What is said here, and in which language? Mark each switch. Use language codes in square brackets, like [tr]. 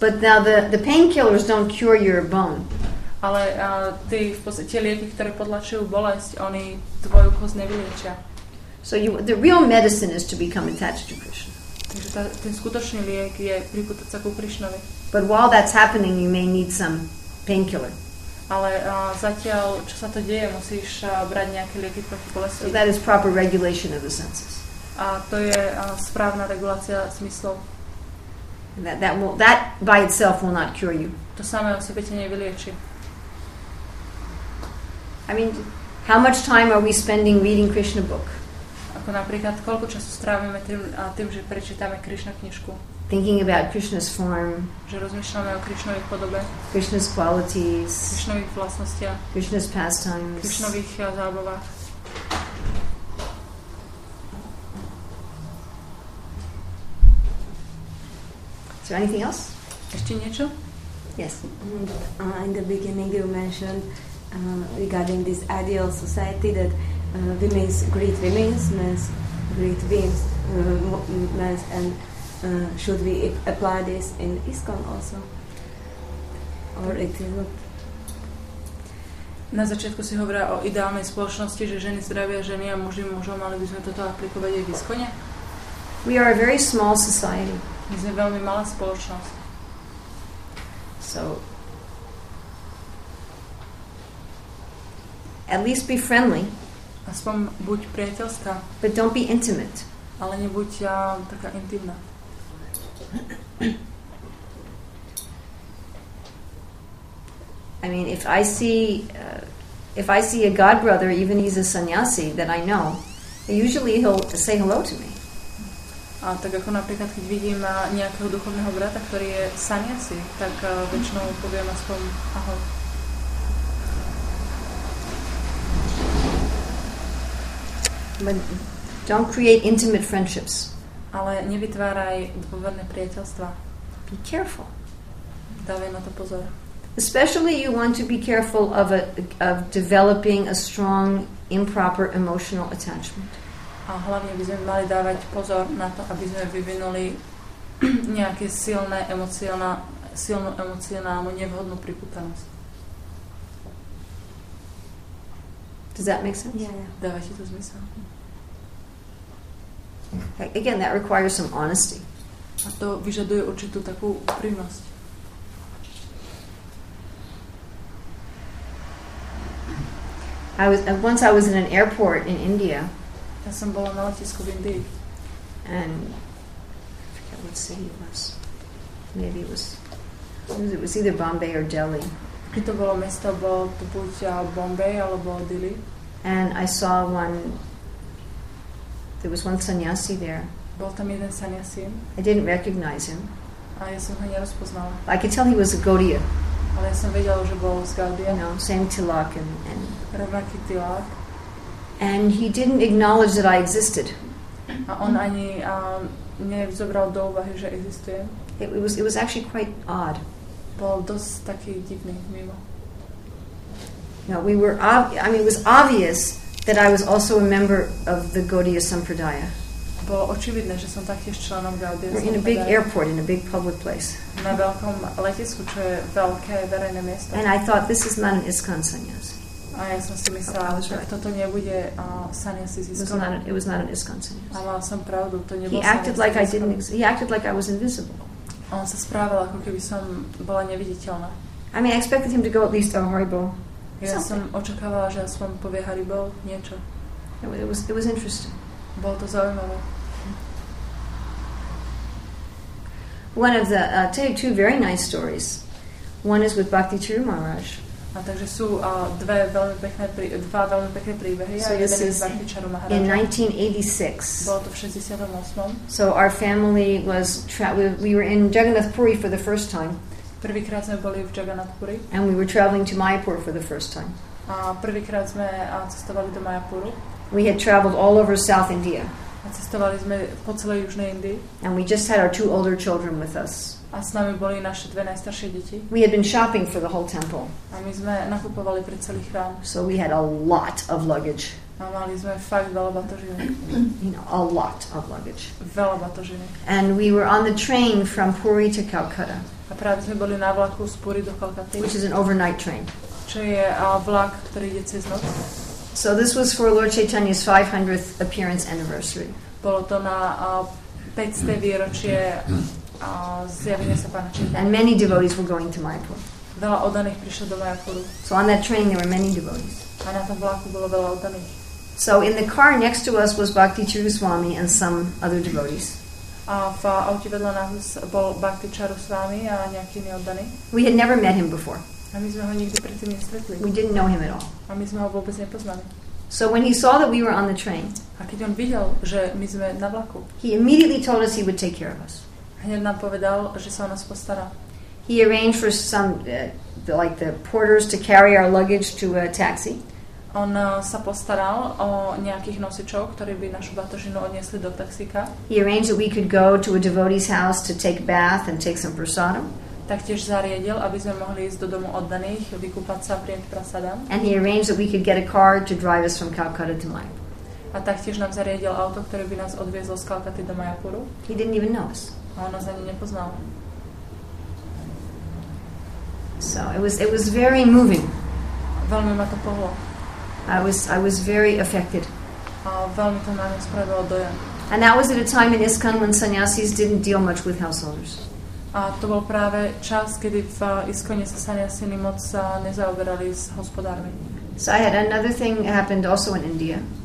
[en] But now the painkillers don't cure your bone. [sk] Ale tie lieky, ktoré potlačujú bolesť, oni tvoju kosť nevyliečia. [en] So the real medicine is to become attached to Krishna. [sk] Takže ten skutočný liek je pripútať sa ku Krishnovi. [en] But while that's happening, you may need some painkiller. [sk] Ale zatiaľ, čo sa to deje, musíš brať nejaké lieky proti bolesti. [en] So that is proper regulation of the senses. [sk] A to je správna regulácia smyslov. [en] That by itself will not cure you. [sk] To samé o sebe ťa nevylieči. [en] I mean, how much time are we spending reading Krishna book? [sk] Ako napríklad, koľko času strávime tým, že prečítame Krishna knižku? [en] Thinking about Krishna's form. [sk] Že rozmýšľame o Krishnovej podobe. [en] Krishna's qualities. [sk] Krishnových vlastnostiach. [en] Krishna's pastimes. [sk] Krishnových zábavách. [en] Is there anything else? [sk] Ešte niečo? [en] Yes. In the beginning you mentioned regarding this ideal society that women's great beings, and should we apply this in ISKCON also? Or it is not? [sk] Na začiatku si hovorila o ideálnej spoločnosti, že ženy zdravia ženy a muži mužom, mali by sme toto aplikovať aj v ISKCONe? [en] We are a very small society. [sk] My sme veľmi malá spoločnosť. [en] So at least be friendly. [sk] Aspoň buď priateľská. [en] But don't be intimate. [sk] Ale nebuď taká intimná. [en] I mean, if I see a god brother, even he's a sannyasi that I know, usually he'll say hello to me. [sk] A tak ako napríklad, keď vidím nejakého duchovného brata, ktorý je sannyasi, tak väčšinou poviem aspoň ahoj. [en] But don't create intimate friendships. [sk] Ale nevytváraj dôverné priateľstva. [en] Be careful. [sk] Dávaj na to pozor. [en] Especially you want to be careful of developing a strong improper emotional attachment. [sk] A hlavne by sme mali dávať pozor na to, aby sme vyvinuli nejaké silné silnú emocionálnu nevhodnú pripútanosť. [en] Does that make sense? Yeah. [sk] Dáva ti to zmysel? [en] Again, that requires some honesty. [sk] A to vyžaduje určitú takú úprimnosť. [en] Once I was in an airport in India. [sk] Ja som bola na letisku v Indii. [en] And I forget what city it was. Maybe it was either Bombay or Delhi. [sk] Keď to bolo mesto, bol to buď Bombay alebo Delhi. [en] And I saw one. There was one sannyasi there. [sk] Bol tam jeden sannyasi. [en] I didn't recognize him. [sk] A ja som ho nerozpoznala. [en] I could tell he was a Gaudiya. [sk] Ale ja som vedela, že bol z Gaudiya. [en] You know, same tilak and. [sk] Rovnaký tilak. [en] And he didn't acknowledge that I existed. [sk] A on ani nezobral do úvahy, že existuje. [en] It was actually quite odd. [sk] Bol dosť taký divný, mimo. [en] No, it was obvious that I was also a member of the Gaudiya Sampradaya. [sk] Bolo očividné, že som taktiež členom Gaudiya Sampradaya. [en] In a big airport, in a big public place. [sk] Na veľkom letisku, čo je veľké verejné miesto. [en] And I thought, this is not an ISKCON sannyas. [sk] A ja som si myslela, že toto nebude sannyasi z ISKCON. [en] It was not an ISKCON sannyas. [sk] A mala som pravdu, to nebol [en] sannyas. He acted like I was invisible. [sk] On sa správal, ako keby som bola neviditeľná. [en] I mean, I expected him to go at least a horrible. [sk] Ja som očakávala, že aspoň povie haribo niečo. [en] It was interesting. [sk] Bolo to zaujímavé. [en] One of the two very nice stories. One is with Bhakti Chiru Maharaj. [sk] A takže sú dva veľmi pekné príbehy. [en] So this is Bhakti Chiru Maharaj. In 1986. [sk] Bolo to v 68. [en] So our family was we were in Jagannath Puri for the first time. [sk] Prvýkrát sme boli v Jagannath Puri. [en] And we were traveling to Mayapur for the first time. [sk] A prvýkrát sme cestovali do Mayapuru. [en] We had traveled all over South India. [sk] A cestovali sme po celej južnej Indii. [en] And we just had our two older children with us. [sk] A s nami boli naše dve najstaršie deti. [en] We had been shopping for the whole temple. [sk] A my sme nakupovali pre celý chrám. [en] So we had a lot of luggage. [sk] A mali sme fakt veľa batožiny. [en] A lot of luggage. [sk] Veľa batožiny. [en] And we were on the train from Puri to Calcutta. [sk] A práve sme boli na vlaku z Puri do Kolkaty. [en] Which is an overnight train. [sk] Čo je vlak, ktorý ide cez noc. [en] So this was for Lord Chaitanya's 500th appearance anniversary. [sk] Bolo to na 500. výročie zjavenia sa pána Chaitanya. [en] And many devotees were going to Mayapur. [sk] Veľa oddaných prišlo do Mayapuru. [en] So on that train there were many devotees. [sk] A na tom vlaku bolo veľa oddaných. [en] So in the car next to us was Bhakti Chiru Swami and some other devotees. [sk] A v aute vedľa nás bol Bhakti Charu s vami a nejaký iný oddaný. [en] We had never met him before. [sk] A my sme ho nikdy predtým nestretli. [en] We didn't know him at all. [sk] A my sme ho vôbec nepoznali. [en] So when he saw that we were on the train, [sk] a keď on videl, že my sme na vlaku, [en] he immediately told us he would take care of us. [sk] Hneď nám povedal, že sa o nás postará. [en] He arranged for some like the porters to carry our luggage to a taxi. [sk] On sa postaral o nejakých nosičov, ktorí by našu batožinu odniesli do taxíka. [en] He arranged that we could go to a devotee's house to take bath and take some prasadam. [sk] Taktiež zariadil, aby sme mohli ísť do domu oddaných, vykúpať sa a prijať prasadam. [en] And he arranged that we could get a car to drive us from Calcutta to Mayapur. [sk] A taktiež nám zariadil auto, ktoré by nás odviezlo z Calcutty do Mayapuru. [en] He didn't even know us. [sk] A on nás ani nepoznal. [en] So it was very moving. [sk] Veľmi ma to pohlo. [en] I was very affected. [sk] Veľmi to na mňa spravilo dojem. [en] And that was at a time in ISKCON when sannyasis didn't deal much with householders. [sk] A to bol práve čas, kedy v ISKCONe sa sannyasini moc nezaoberali s hospodármi. [en] So I had another thing happened also in India.